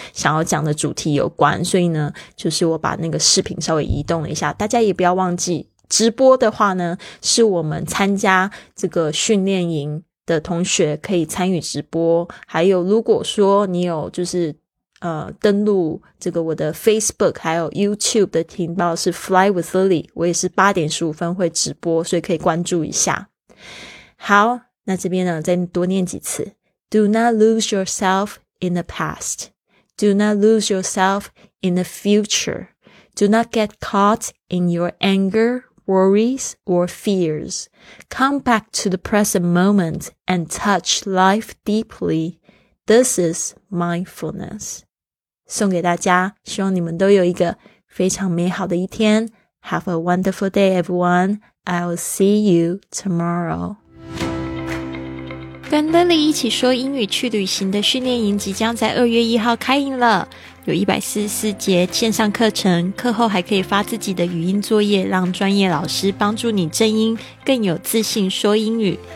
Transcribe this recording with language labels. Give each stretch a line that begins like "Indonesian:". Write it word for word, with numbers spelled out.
Chinese: 想要讲的主题有关，所以呢就是我把那个视频稍微移动了一下。大家也不要忘记，直播的话呢是我们参加这个训练营的同学可以参与直播，还有如果说你有就是呃，登录这个我的 Facebook 还有 YouTube 的频道是 Fly with Lily， 我也是八点十五分会直播，所以可以关注一下。好，那这边呢再多念几次。
English: Do not lose yourself in the past. Do not lose yourself in the future. Do not get caught in your anger, worries, or fears. Come back to the present moment and touch life deeply. This is mindfulness.
Chinese: 送给大家，希望你们都有一个非常美好的一天。
English: Have a wonderful day, everyone. I'll see you tomorrow.
Chinese: 跟 Lily 一起说英语去旅行的训练营即将在二月一号开营了，有一百四十四节线上课程，课后还可以发自己的语音作业，让专业老师帮助你正音，更有自信说英语。